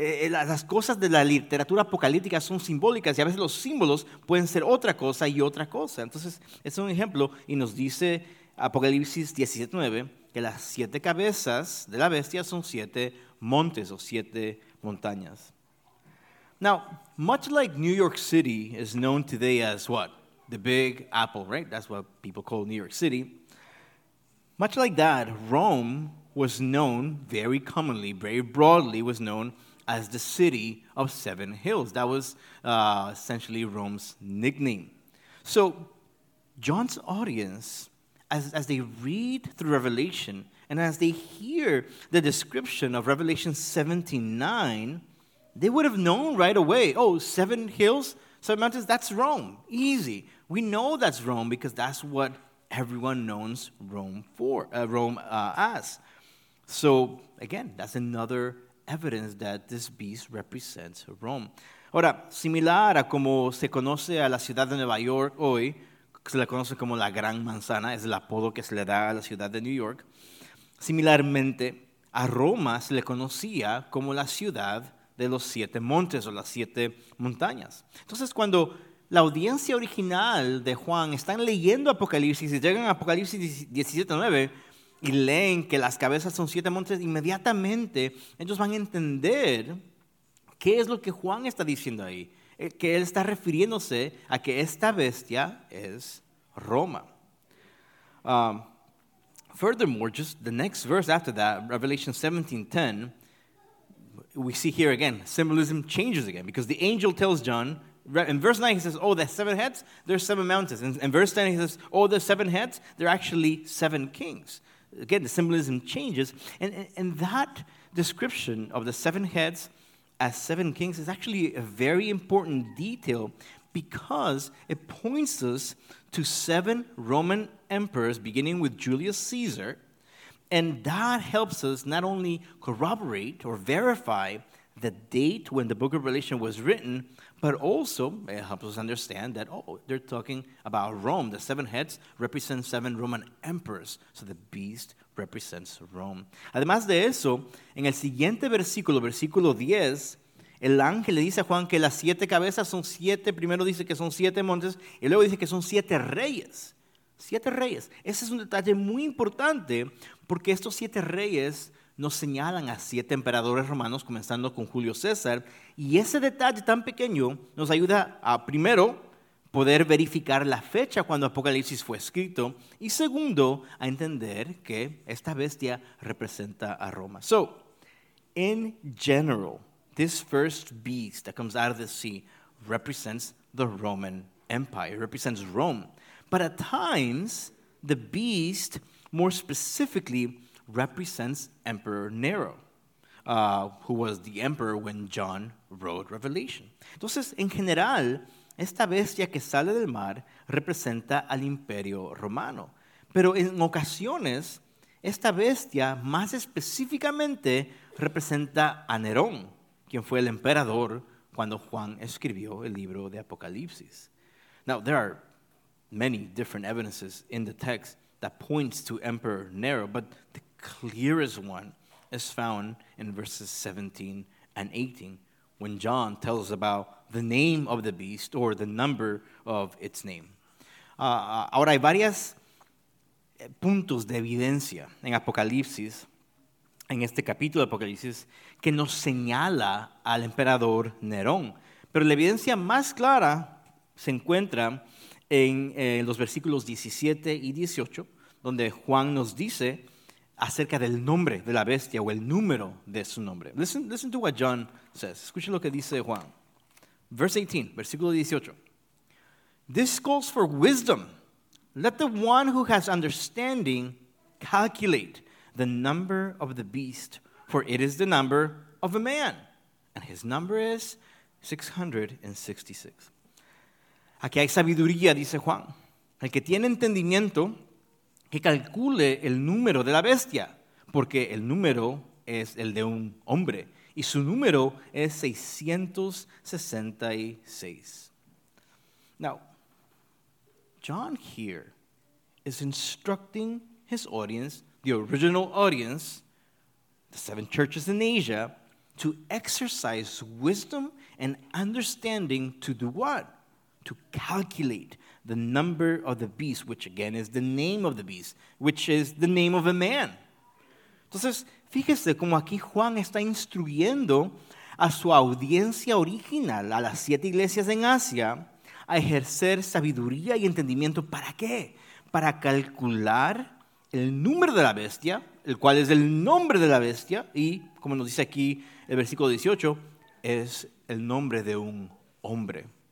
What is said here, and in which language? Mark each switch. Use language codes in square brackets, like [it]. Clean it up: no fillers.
[es] Las cosas de la literatura apocalíptica son simbólicas y a veces los símbolos pueden ser otra cosa y otra cosa. Entonces, es un ejemplo y nos dice Apocalipsis 17:9 que las siete cabezas de la bestia son siete montes o siete montañas. [en] Now, much like New York City is known today as what? The Big Apple, right? That's what people call New York City. Much like that, Rome was known very commonly, very broadly was known as the City of Seven Hills. That was essentially Rome's nickname. So John's audience, as they read through Revelation, and as they hear the description of Revelation 17:9, they would have known right away, oh, seven hills, seven mountains, that's Rome. Easy. We know that's Rome because that's what everyone knows Rome for, Rome as. So, again, that's another evidence that this beast represents Rome. [es] Ahora, similar a como se conoce a la ciudad de Nueva York hoy, se la conoce como la Gran Manzana, es el apodo que se le da a la ciudad de New York. Similarmente, a Roma se le conocía como la ciudad de los siete montes o las siete montañas. Entonces, cuando la audiencia original de Juan están leyendo Apocalipsis y llegan a Apocalipsis 17:9 y leen que las cabezas son siete montes, inmediatamente ellos van a entender qué es lo que Juan está diciendo ahí, que él está refiriéndose a que esta bestia es Roma. [en] Furthermore, just the next verse after that, Revelation 17:10, we see here again, symbolism changes again because the angel tells John, in verse 9 he says, oh, the seven heads, there's seven mountains. In verse 10 he says, oh, the seven heads, they're actually seven kings. Again, the symbolism changes. And that description of the seven heads as seven kings is actually a very important detail because it points us to seven Roman emperors beginning with Julius Caesar. And that helps us not only corroborate or verify the date when the book of Revelation was written, but also it helps us understand that, oh, they're talking about Rome. The seven heads represent seven Roman emperors. So the beast represents Rome. [es] Además de eso, en el siguiente versículo, versículo 10, el ángel le dice a Juan que las siete cabezas son siete. Primero dice que son siete montes y luego dice que son siete reyes. Siete reyes. Ese es un detalle muy importante porque estos siete reyes nos señalan a siete emperadores romanos, comenzando con Julio César. Y ese detalle tan pequeño nos ayuda a, primero, poder verificar la fecha cuando Apocalipsis fue escrito. Y segundo, a entender que esta bestia representa a Roma. [en] So, in general, this first beast that comes out of the sea represents the Roman Empire, represents Rome. But at times, the beast, more specifically, represents Emperor Nero, who was the emperor when John wrote Revelation. [es] Entonces, en general, esta bestia que sale del mar representa al Imperio Romano. Pero en ocasiones, esta bestia más específicamente representa a Nerón, quien fue el emperador cuando Juan escribió el libro de Apocalipsis. [en] Now, there are many different evidences in the text that points to Emperor Nero, but the clearest one is found in verses 17 and 18 when John tells about the name of the beast or the number of its name. [es] Ahora hay varias puntos de evidencia en Apocalipsis, en este capítulo de Apocalipsis, que nos señala al emperador Nerón. Pero la evidencia más clara se encuentra en los versículos 17 y 18, donde Juan nos dice acerca del nombre de la bestia o el número de su nombre. [en] Listen to what John says. [es] Escuche lo que dice Juan. [en] Verse 18, [es] versículo 18. [en] This calls for wisdom. Let the one who has understanding calculate the number of the beast, for it is the number of a man. And his number is 666. [es] Aquí hay sabiduría, dice Juan. El que tiene entendimiento, que calcule el número de la bestia, porque el número es el de un hombre, y su número es 666. [en] Now, John here is instructing his audience, the original audience, the seven churches in Asia, to exercise wisdom and understanding to do what? To calculate the number of the beast, which again is the name of the beast, which is the name of a man. [es] Entonces, fíjese cómo aquí Juan está instruyendo a su audiencia original, a las siete iglesias en Asia, a ejercer sabiduría y entendimiento. ¿Para qué? Para calcular el número de la bestia, el cual es el nombre de la bestia, y como nos dice aquí el versículo 18, es el nombre de un hombre.